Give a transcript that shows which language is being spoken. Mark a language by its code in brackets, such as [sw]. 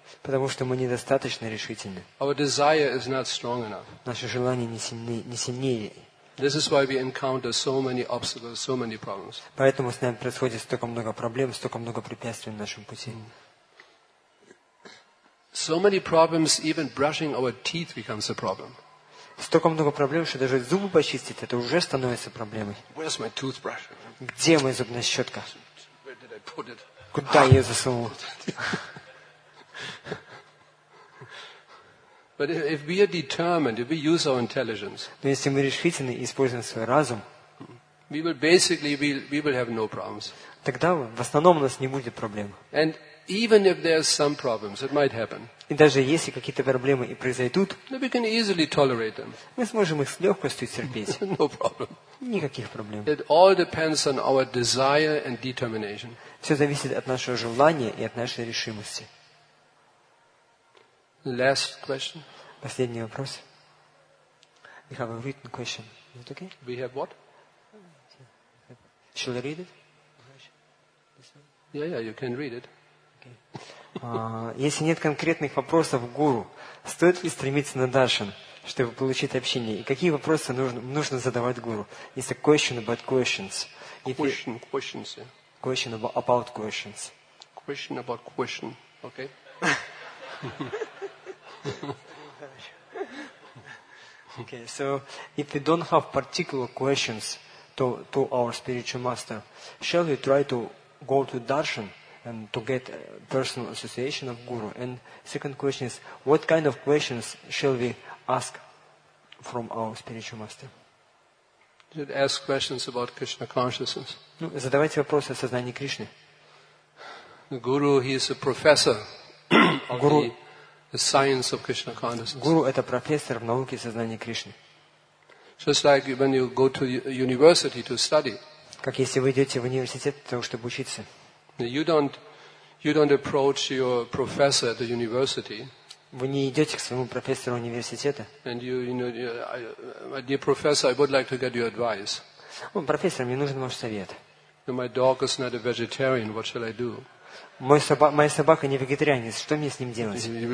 [ru] Потому что мы недостаточно решительны. [en] Our desire is not strong enough. [ru] Наши желания не сильнее. [en] This is why we encounter so many obstacles, so many problems. [ru] Поэтому с нами происходит столько много проблем, столько много препятствий на нашем пути. [en] So many problems, even brushing our teeth becomes a problem. [ru] Столько много проблем, что даже зубы почистить, это уже становится проблемой. [en] Where's my toothbrush? [ru] Где моя зубная щетка? [en] Where did I put it? [ru] Куда я ее засунул? [en] But if we are determined, if we use our intelligence, [ru] но если мы решительны и используем свой разум, [en] we will basically we will have no problems. [ru] Тогда в основном у нас не будет проблем. [en] And even if there are some problems, it might happen. [ru] И даже если какие-то проблемы и произойдут, [en] we can easily tolerate them. [ru] Мы сможем их с легкостью терпеть. [en] No problem. [ru] Никаких проблем. [en] It all depends on our desire and determination. [ru] Все зависит от нашего желания и от нашей решимости. [en] Last question. [ru] Последний вопрос. [en] We have a written question. Is it okay? We have what? Shall I read it? Yeah, you can read it. [ru] Если нет конкретных вопросов гуру, стоит ли стремиться на даршан, чтобы получить общение? И какие вопросы нужно задавать гуру? [en] It's a question about questions. Question about questions. Question about question. Okay. Okay, so if we don't have particular questions to our spiritual master, shall we try to go to darshan and to get personal association of guru? And second question is, what kind of questions shall we ask from our spiritual master? Should ask questions about Krishna consciousness. [ru] Ну, задавайте вопросы о сознании Кришны. [en] The guru, he is a professor of guru. The science of Krishna consciousness. [ru] Guru – это профессор в науке сознания Кришны. [en] Just like when you go to university to study. [ru] Как если вы идете в университет для того, чтобы учиться. [en] You don't approach your professor at the university. [ru] Вы не идете к своему профессору университета. [en] And you know, dear professor, I would like to get your advice. [ru] Профессор, мне нужен ваш совет. [en] My dog is not a vegetarian. What shall I do? [ru] Моя собака не вегетарианец. Что мне с ним делать?